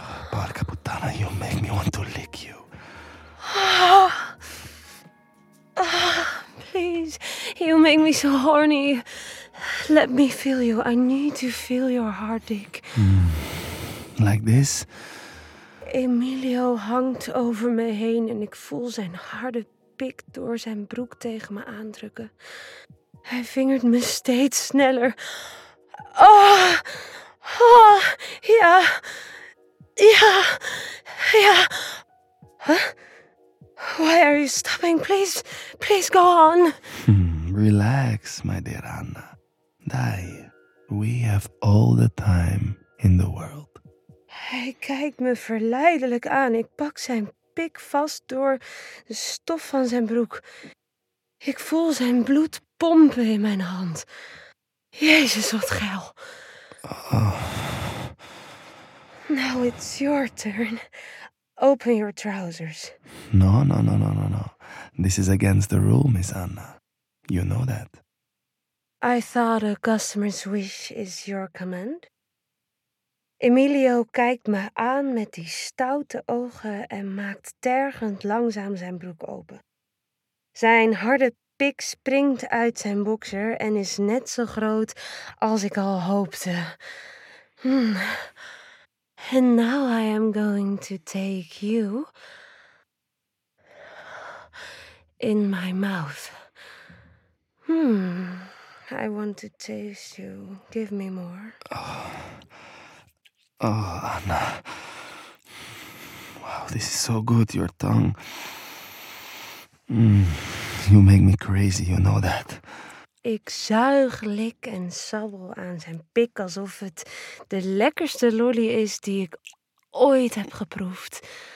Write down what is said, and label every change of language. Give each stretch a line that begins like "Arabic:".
Italian: Porca puttana,
English: you make me want to lick you. Please, you make me so horny. Let me feel you. I need to feel your heart, Dick. Like this?
Dutch: Emilio hangt over me heen en ik voel zijn harde pik door zijn broek tegen me aandrukken. Hij vingert me steeds sneller. Oh, oh, ja, ja, ja. Huh?
English: Why are you stopping? Please, please go on. Relax, my dear Anna.
Italian: Dai,
English: we have all the time in the world.
Dutch: Hij kijkt me verleidelijk aan. Ik pak zijn pik vast door de stof van zijn broek. Ik voel zijn bloed pompen in mijn hand. Jezus, wat geil.
English: Now it's your turn. Open your trousers. No. This is against the rule, Miss Anna. You know that. I thought a customer's wish is your command.
Dutch: Emilio kijkt me aan met die stoute ogen en maakt tergend langzaam zijn broek open. Zijn harde pik springt uit zijn boxer en is net zo groot als ik al hoopte.
English: And now I am going to take you in my mouth. I want to taste you. Give me more. Oh, Anna. Wow, this is so good, your tongue. You make me crazy, you know that.
Dutch: Ik zuig, lik en sabbel aan zijn pik alsof het de lekkerste lolly is die ik ooit heb geproefd.